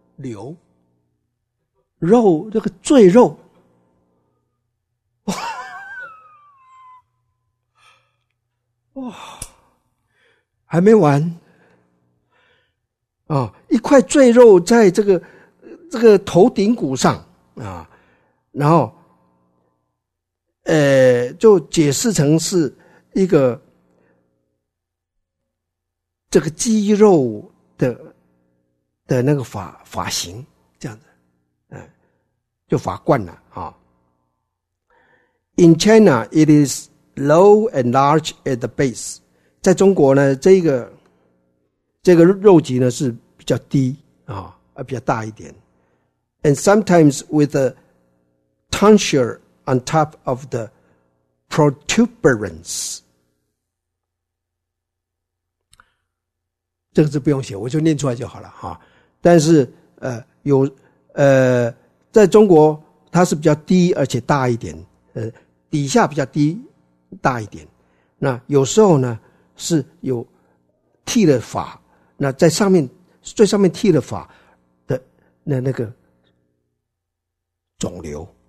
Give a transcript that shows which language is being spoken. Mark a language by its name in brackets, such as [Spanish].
[Chinese] 瘤，肉，这个赘肉，哇，还没完啊，一块赘肉在这个头顶骨上啊，然后就解释成是一个这个肌肉的那个发型这样子，就发冠了啊。 [English] In China, it is low and large at the base. [Chinese] 在中国呢，这个肉脊呢是比较低啊，比较大一点。 [English] And sometimes with a tonsure on top of the protuberance. [Chinese] 这个字不用写，我就念出来就好了哈。但是在中国它是比较低而且大一点，底下比较低大一点。那有时候呢是有剃了发，那在上面最上面剃了发的那个肿瘤。